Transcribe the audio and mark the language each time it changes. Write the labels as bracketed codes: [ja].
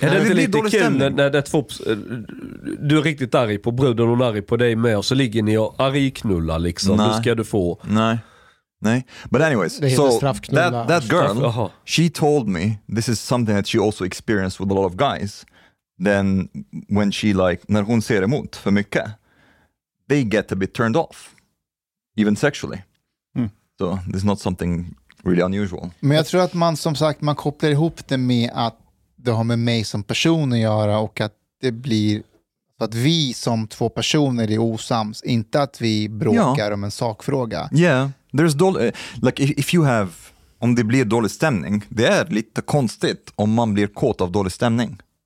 [sv] Är det lite dålig stämning när det två du är riktigt arg på bruden och arg på dig med och så ligger ni och arg knullar liksom. Nej. Hur ska du få? Nej. [en] But anyways, so that girl, she told me this is something that she also experienced with a lot of guys. Then when she like [sv] när hon ser emot för mycket, [en] they get a bit turned off, even sexually. So this is not something really unusual. [sv] Men jag tror att man som sagt man kopplar ihop det med att det har med mig som person att göra och att det blir att vi som två personer är osams, inte att vi bråkar om en sakfråga. [en] Yeah. There's like if you have [sv] om det blir dålig stämning, det är lite konstigt om man blir kåt av dålig stämning.